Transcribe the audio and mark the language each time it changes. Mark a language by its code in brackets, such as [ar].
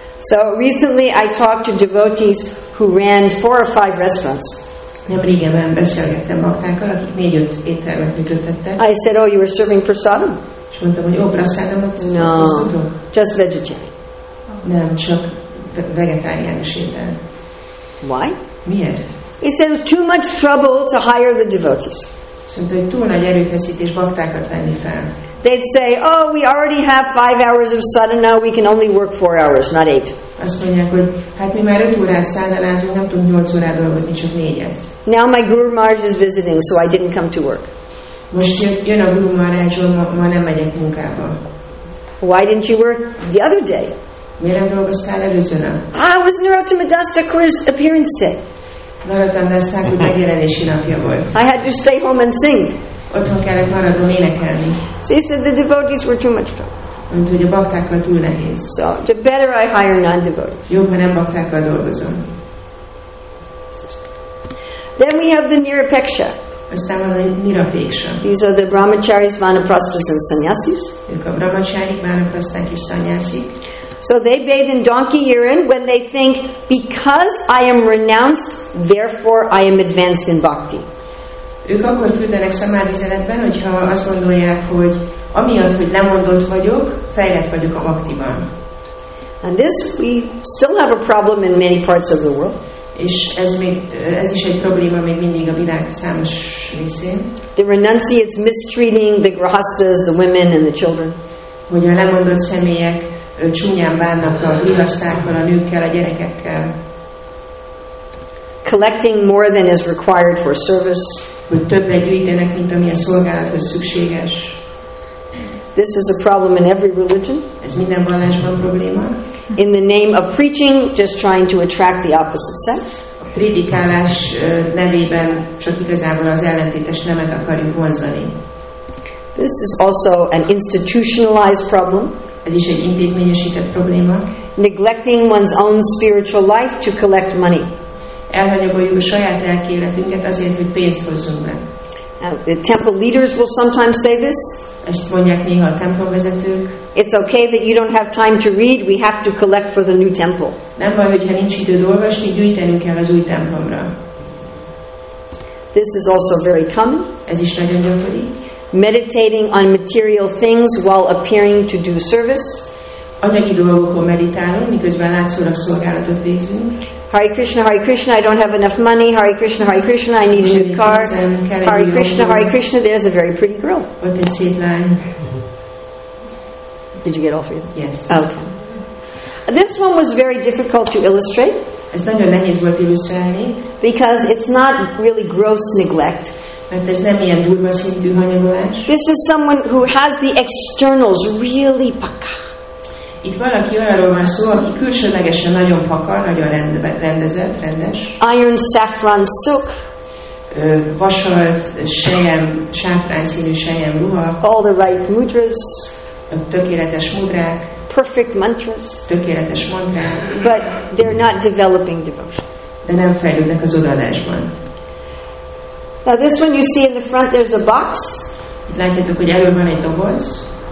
[en] So recently I talked to devotees who ran 4 or 5 restaurants. [hu] Nem régen beszélgettem baktákkal, akik 4-5 éttermet működtettek. [en] I said, oh, you were serving prasadam. [hu] És mondtam, hogy prasadamot hoztatok. [en] No, just vegetarian. [hu] Nem, csak vegetáriánus étel. [en] Why? [hu] Miért? [en] He said it was too much trouble to hire the devotees. [hu] Szerintem, hogy túl nagy erőfeszítés baktákat venni fel. [en] They'd say, oh, we already have 5 hours of sadhana, we can only work 4 hours, not 8. [hu] Azt mondják, hogy hát mi már 5 órát szállalázunk, nem tudunk 8 órát dolgozni, csak 4-et. [en] Now my Guru Maharaj is visiting, so I didn't come to work. [hu] Most jön a Guru Maharaj, ma nem megyek munkába. [en] Why didn't you work the other day? [hu] Miért nem dolgoztál előző nap? [en] I was Narottama Das Thakura's appearance day. [hu] Narottama Das Thakura megjelenési napja volt. [en] I had to stay home and sing. [hu] Otthon kellett maradnom énekelni. [en] So he said the devotees were too much trouble. [hu] Mondta, hogy a baktákkal túl nehéz. [en] So the better I hire non-devotees. [hu] Jobb, ha nem baktákkal dolgozom. [en] Then we have the Nirapeksha. [hu] Aztán van a Nirapeksha. [en] These are the brahmacharis, vanaprasthas and sannyasis. [hu] Ők a brahmacharik, vanaprasthák és sannyasik. [en] So they bathe in donkey urine when they think, because I am renounced, therefore I am advanced in bhakti. [hu] Ők akkor fürdenek szamádvizeletben, hogyha azt gondolják, hogy amiatt, hogy lemondott vagyok, fejlett vagyok a bhaktiban. [en] And this we still have a problem in many parts of the world. [hu] És ez is egy probléma még mindig a világ számos részén. [en] The renunciates mistreating the grahasthas, the women and the children. [hu] Hogy a lemondott személyek csúnyán bánnak a grihasztákkal, a nőkkel, a gyerekekkel. [en] Collecting more than is required for service. [hu] Hogy többet gyűjtenek, mint ami a szolgálathoz szükséges. [en] This is a problem in every religion. [hu] Ez minden vallásban probléma. [en] In the name of preaching, just trying to attract the opposite sex. [hu] A prédikálás nevében csak igazából az ellentétes nemet akarjuk vonzani. [en] This is also an institutionalized problem. [hu] Ez is egy intézményesített probléma. [en] Neglecting one's own spiritual life to collect money. [hu] Elhanyagoljuk a saját lelki életünket azért, hogy pénzt hozzunk be. [en] The temple leaders will sometimes say this. [hu] Ezt mondják néha a templomvezetők. [en] It's okay that you don't have time to read. We have to collect for the new temple. [hu] Nem baj, hogyha nincs időd olvasni, gyűjtenünk kell az új templomra. [en] This is also very common. [hu] Ez is nagyon gyakori. [en] Meditating on material things while appearing to do service. [hu] Anyagi dolgokon meditálunk, miközben látszólag szolgálatot végzünk. [en] Hare Krishna, Hare Krishna, I don't have enough money. Hare Krishna, Hare Krishna, I need a new car. Hare Krishna, Hare Krishna, there's a very pretty girl. What is it like? Did you get all 3? Yes. Okay. This one was very difficult to illustrate. [hu] Ez nagyon nehéz volt illusztrálni. [en] Because it's not really gross neglect. [hu] Mert ez nem ilyen durva szintű hanyagolás. [en] This is someone who has the externals really paka. [hu] Itt valaki olyanról van szó, aki külsőlegesen nagyon pakar, nagyon rendezett, rendes. [en] Iron, saffron, silk. [hu] Vasalt, selyem, sáfrán színű selyem ruha. [en] All the right mudras. [hu] Tökéletes mudrák. [en] Perfect mantras. [hu] Tökéletes mantrák. [en] But they're not developing devotion. [hu] De nem fejlődnek az odaadásban. [en] Now this one you see in the front, there's a box. [hu] Itt látjátok, hogy elő van egy doboz.